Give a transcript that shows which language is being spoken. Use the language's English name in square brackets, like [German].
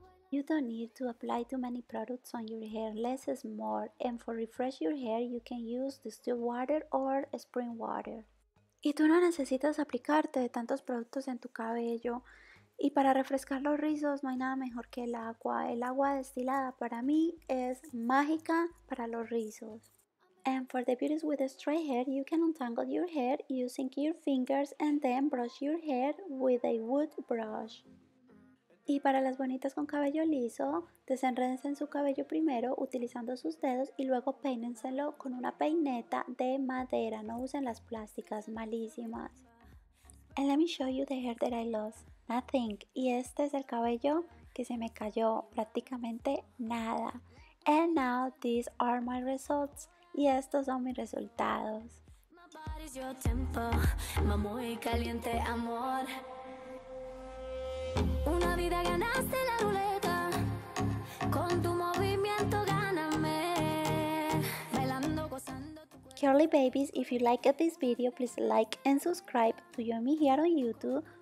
[English] You don't need to apply too many products on your hair, less is more. And for refresh your hair, you can use distilled water or spring water. [Spanish] Y tú no necesitas aplicarte de tantos productos en tu cabello. Y para refrescar los rizos no hay nada mejor que el agua. El agua destilada para mí es mágica para los rizos. [English] And for the beauties with a straight hair, you can untangle your hair using your fingers and then brush your hair with a wood brush. [Spanish] Y para las bonitas con cabello liso, desenrédense en su cabello primero utilizando sus dedos y luego peínenselo con una peineta de madera. No usen las plásticas, malísimas. [English] And let me show you the hair that I lost. Nothing. [Spanish] Y este es el cabello que se me cayó, prácticamente nada. [English] And now these are my results. [Spanish] Y estos son mis resultados. [English] My body is your tempo, my [Spanish] muy caliente amor. Una vida ganaste la ruleta, con tu movimiento gáname, bailando, gozando tu cuerpo. [English] Curly babies, if you like this video, please like and subscribe to Yoimi here on YouTube.